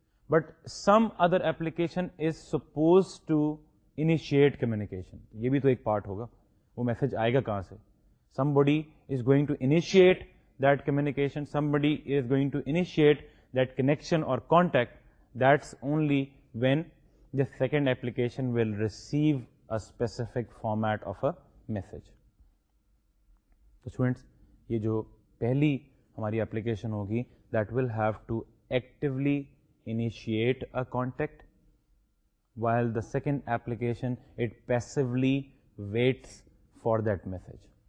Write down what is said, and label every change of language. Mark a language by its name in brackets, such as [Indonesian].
[English] But some other application is suppose to initiate communication. [Urdu] یہ بھی تو ایک پارٹ ہوگا, وہ میسج آئے گا کہاں سے؟ [English] Somebody is going to initiate that communication, somebody is going to initiate that connection or contact. That's only when the second application will receive a specific format of a message. Students [Urdu] یہ جو پہلی ہماری application ہوگی [English] That will have to actually initiate a contact, while the second application it passively waits for that message.